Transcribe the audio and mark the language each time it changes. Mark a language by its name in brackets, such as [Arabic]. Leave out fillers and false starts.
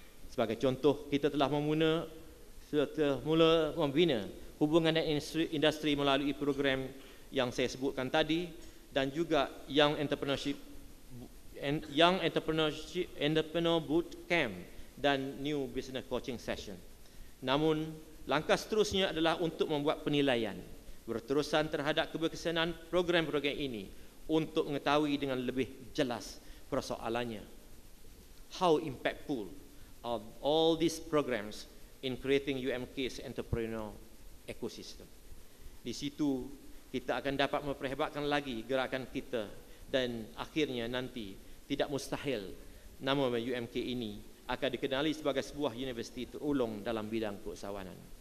[Malay] Sebagai contoh, kita telah mula membina hubungan dengan industri melalui program yang saya sebutkan tadi, dan juga Young Entrepreneur Boot Camp dan New Business Coaching Session. Namun, langkah seterusnya adalah untuk membuat penilaian berterusan terhadap keberkesanan program-program ini untuk mengetahui dengan lebih jelas persoalannya. [English] How impactful are all these programs in creating UMK's entrepreneur ecosystem? [Malay] Di situ kita akan dapat memperhebatkan lagi gerakan kita, dan akhirnya nanti tidak mustahil nama UMK ini akan dikenali sebagai sebuah universiti terulung dalam bidang keusahawanan.